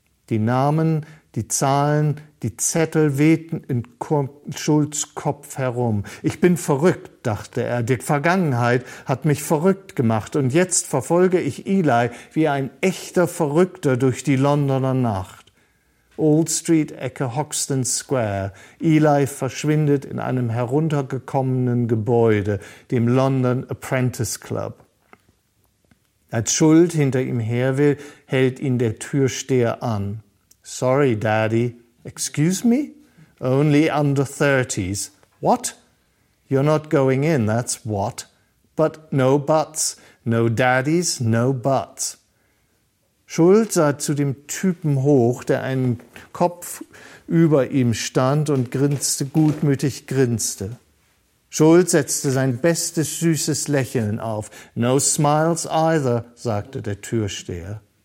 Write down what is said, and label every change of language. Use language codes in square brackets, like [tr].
[de] Die Namen, die Zahlen, die Zettel wehten in Schulz' Kopf herum. Ich bin verrückt, dachte er. Die Vergangenheit hat mich verrückt gemacht. Und jetzt verfolge ich Eli wie ein echter Verrückter durch die Londoner Nacht. Old Street, Ecke Hoxton Square. Eli verschwindet in einem heruntergekommenen Gebäude, dem London Apprentice Club. Als Schuld hinter ihm her will, hält ihn der Türsteher an. [en] Sorry, Daddy. Excuse me? Only under 30s. What? You're not going in, that's what. But no buts. No daddies, no buts. [de] Schuld sah zu dem Typen hoch, der einen Kopf über ihm stand und gutmütig grinste. Schulz setzte sein bestes, süßes Lächeln auf. [en] No smiles either, [de] sagte der Türsteher.